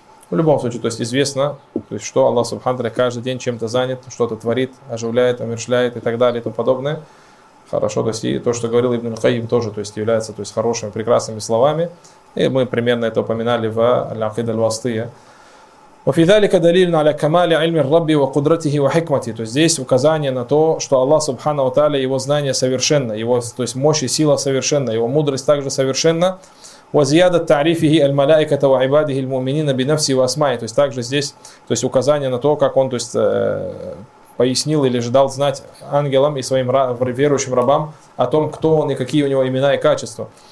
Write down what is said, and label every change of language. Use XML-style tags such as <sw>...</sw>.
<ru>В любом случае, то есть известно, то есть что Аллах субхана ва тааля каждый день чем-то занят, что-то творит, оживляет, умерщвляет и так далее и тому подобное. Хорошо, то есть и то, что говорил Ибн аль-Кайим тоже, то есть является, то есть хорошими, прекрасными словами. И мы примерно это упоминали в Аль-Акида Аль-Вастия.</ru> <ar>وفي ذلك دليلنا على كمال علم الرب وقدرته وحكمته.</ar> <ru>То есть здесь указание на то, что Аллах Субхана ва Тааля, его знание совершенно, его, то есть мощь и сила совершенна, его мудрость также совершенна.</ru> <ar>وزيادة تعريفه الملائكة وعباده المؤمنين بنفسه وأسمائه.</ar> <ru>То есть также здесь, то есть указание на то, как он, то есть пояснил или же дал знать ангелам и своим верующим рабам о том, кто он и какие у него имена и качества.</ru>